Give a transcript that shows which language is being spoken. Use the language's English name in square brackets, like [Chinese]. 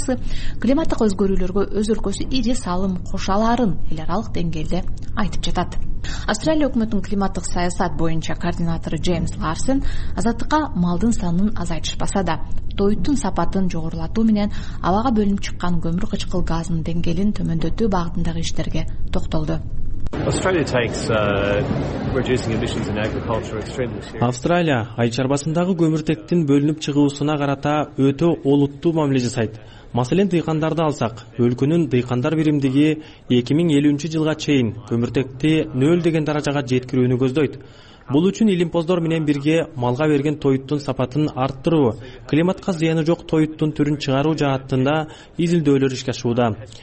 [Kyrgyz] Республикасы климаттық өзгөрүүлөргө өз өлкөсү ири салым кошаларын эл аралык деңгээлде айтып жатат. Австралия өкмөтүнүн климаттык саясат боюнча координатору Джеймс Ларсен азаттыкка малдын санын азайтышпаса да, тойтун сапатын жогорулатуу менен абага бөлүнүп чыккан көмүр кычкыл газынын деңгээлин төмөндөтүү багытындагы иштерге токтолду. [English] Australia takes reducing emissions in agriculture extremely seriously. [Kyrgyz] Австралия ай чарбасындагы көмүртектин бөлүнүп чыгуусуна карата өтө олуттуу мамиле жасайт. Маселен, дыйкандарды алсак, өлкөнүн дыйкандар биримдиги 2050 жылга чейин көмүртекти 0 деген даражага жеткирүүнү көздөйт. Бул үчүн илимпоздор менен бирге малга берген тойуттун сапатын арттыруу, климатка зыяны жок тойуттун түрүн чыгаруу жаатында изилдөөлөр ишке ашууда.